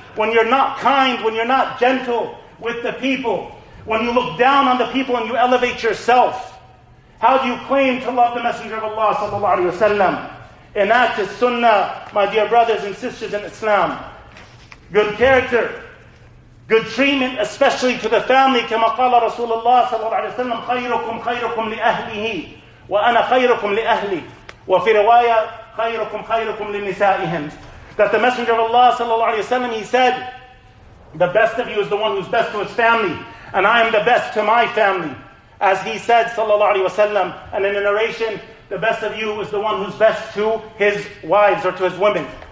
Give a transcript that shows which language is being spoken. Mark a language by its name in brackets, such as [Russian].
[English] When you're not kind? When you're not gentle with the people? When you look down on the people and you elevate yourself? How do you claim to love the Messenger of Allah sallallahu alayhi wa sallam? Enact his sunnah, my dear brothers and sisters in Islam. Good character, good treatment, especially to the family. [Arabic] كما قال رسول الله صلى الله عليه وسلم خيركم خيركم لأهله وأنا خيركم لأهلي وفي رواية خيركم خيركم لنسائهم. [English] That the Messenger of Allah صلى الله عليه وسلم, he said, the best of you is the one who's best to his family, and I am the best to my family. As he said, sallallahu alayhi wa sallam, and in the narration, the best of you is the one who's best to his wives or to his women.